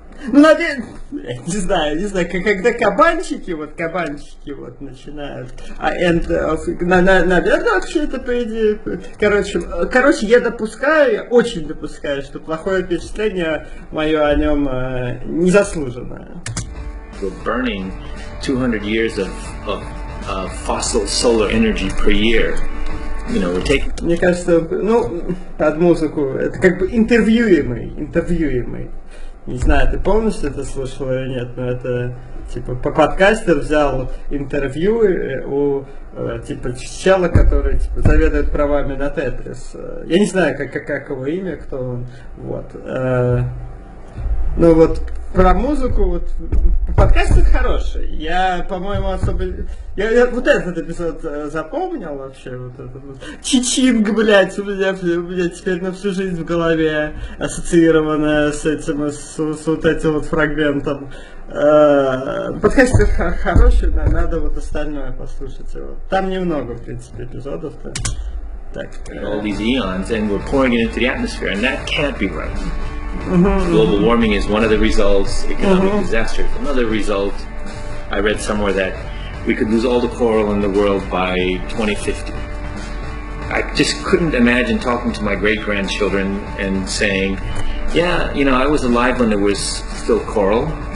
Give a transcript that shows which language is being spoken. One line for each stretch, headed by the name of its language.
Russian: Ну, надеюсь, не знаю, когда кабанчики начинают, наверное, вообще это по идее, короче, я очень допускаю, что плохое впечатление мое о нем незаслуженное.
English: We're burning 200 years of fossil solar energy per year. You know,
Russian: мне кажется, под музыку, это как бы интервьюемый. Не знаю, ты полностью это слышал или нет, но это типа по подкасту взял интервью у типа чела, который типа заведует правами на Тетрис. Я не знаю, как его имя, кто он. Вот. Ну вот про музыку вот подкаст этот хороший. Я, по-моему, особо. Я вот этот эпизод запомнил вообще. Вот этот вот. Чичинг, блять, у меня теперь на всю жизнь в голове ассоциированная с этим, с вот этим вот фрагментом. Подкаст этот хороший, да, надо вот остальное послушать его. Там немного, в принципе, эпизодов-то. Так.
English: All these eons, and we're pouring it into the atmosphere, and that can't be right. Mm-hmm. Global warming is one of the results, economic mm-hmm. disaster is another result. I read somewhere that we could lose all the coral in the world by 2050. I just couldn't imagine talking to my great-grandchildren and saying, yeah, you know, I was alive when there was still coral.